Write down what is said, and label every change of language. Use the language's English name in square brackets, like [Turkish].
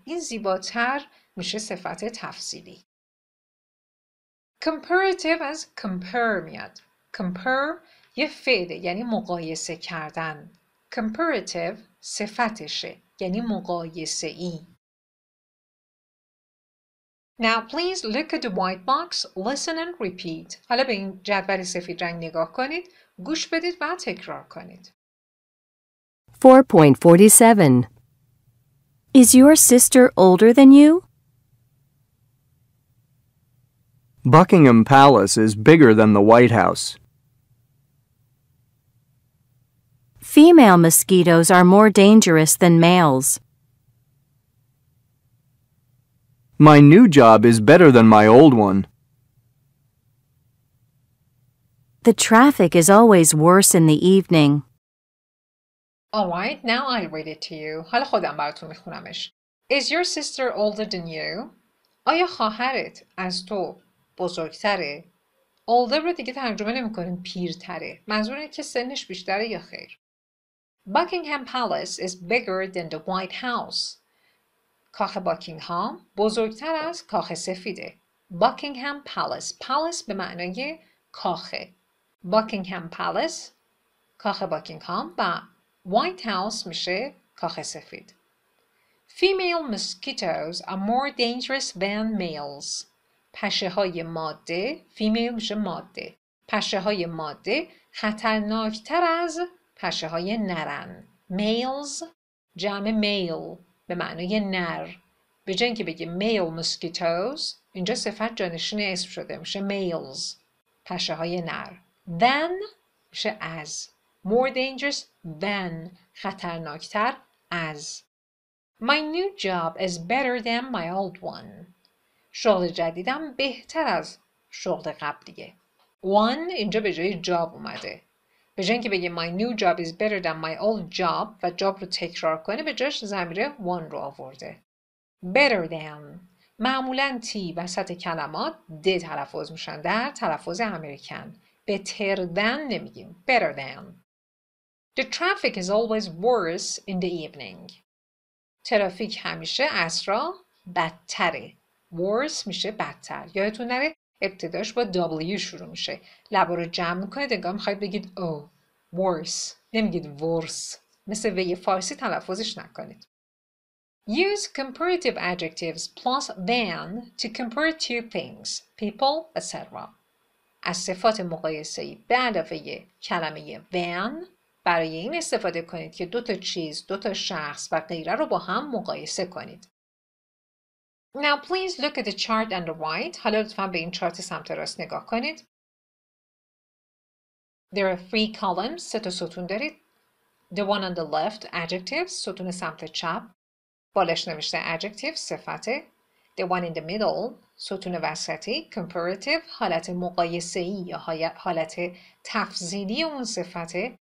[Persian] این زیباتر میشه صفت تفصیلی. Comparative از compare میاد. Compare یه فعله، یعنی مقایسه کردن. Comparative صفتشه، یعنی مقایسه ای. [English] Now please look at the white box, listen and repeat. [Persian] حالا به این جدول سفید رنگ نگاه کنید، گوش بدید و تکرار کنید. [English] 4.47 Is your sister older than you? Buckingham Palace is bigger than the White House. Female mosquitoes are more dangerous than males. My new job is better than my old one. The traffic is always worse in the evening. All right, now I read it to you. [Persian] حالا خودم براتون میخونمش. [English] Is your sister older than you? [Persian] آیا خواهرت از تو بزرگتره؟ Older رو دیگه ترجمه نمی‌کنیم، پیرتره. منظور اینه که سنش بیشتره یا خیر. [English] Buckingham Palace is bigger than the White House. [Persian] کاخ باکینگهام بزرگتر از کاخ سفیده. Buckingham Palace. Palace به معنای کاخه. [English] Buckingham Palace. [Persian] کاخ باکینگهام با White House میشه کاخ سفید. [English] Female mosquitoes are more dangerous than males. [Persian] پشه های ماده. Female میشه ماده. پشه های ماده خطرناکتر از پشه های نرن. Males جمع male به معنی نر. به جای اینکه بگیم [English] male mosquitoes، [Persian] اینجا صفت جانشین اسم شده، میشه males پشه های نر. Than میشه از. [English] More dangerous than [Persian] خطرناکتر از. [English] My new job is better than my old one. [Persian] شغل جدیدم بهتر از شغل قبلیه. One اینجا به جای job اومده. به جای اینکه بگه [English] my new job is better than my old job [Persian] و job رو تکرار کنه، به جاش ضمیره one رو آورده. Better than. معمولا T وسط کلمات D تلفظ میشن در تلفظ امریکن. Better than نمیگیم. Better than. [English] The traffic is always worse in the evening. [Persian] ترافیک همیشه عصرا بدتره. Worse میشه بدتر. یادتون نره ابتداش با W شروع میشه. لب رو جمع میکنید انگار میخواید بگید او. Worse. نمیگید worse. مثل وی فارسی تلفظش نکنید. [English] Use comparative adjectives plus than to compare two things. People, etc. [Persian] از صفات مقایسه‌ای به علاوه کلمه than برای این استفاده کنید که دو تا چیز، دو تا شخص و غیره رو با هم مقایسه کنید. [English] Now please look at the chart on the right. [Persian] حالا لطفاً به این چارت سمت راست نگاه کنید. [English] There are three columns. [Persian] سه تا ستون دارید. [English] The one on the left, adjectives. [Persian] ستون سمت چپ. بالش نوشته adjectives, صفت. [English] The one in the middle, [Persian] ستون وسطی, comparative, حالت مقایسه‌ای یا حالت تفضیلی اون صفت.